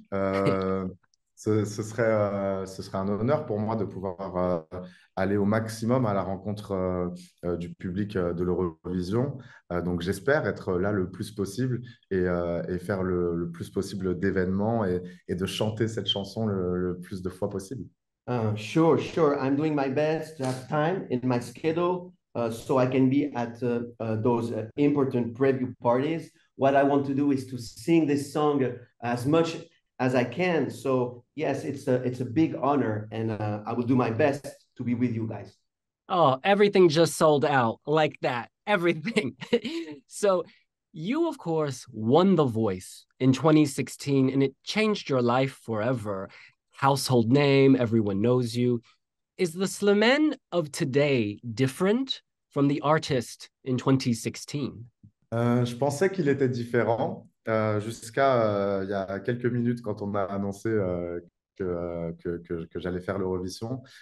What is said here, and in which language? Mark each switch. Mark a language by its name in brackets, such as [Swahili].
[French] Ce serait un honneur pour moi de pouvoir aller au maximum à la rencontre du public de l'Eurovision. Donc j'espère être là le plus possible et faire le plus possible d'événements et de chanter cette chanson le plus de fois possible. [English] Sure. I'm doing my best to have time in my schedule so I can be at those important preview parties. What I want to do is to sing this song as much as I can. So yes, it's a big honor, and I will do my best to be with you guys. Oh, everything just sold out like that. Everything. So, you, of course, won The Voice in 2016, and it changed your life forever. Household name, everyone knows you. Is the Slimane of today different from the artist in 2016? [French] Je pensais qu'il était différent jusqu'à il y a quelques minutes quand on m'a annoncé que j'allais faire l'Eurovision.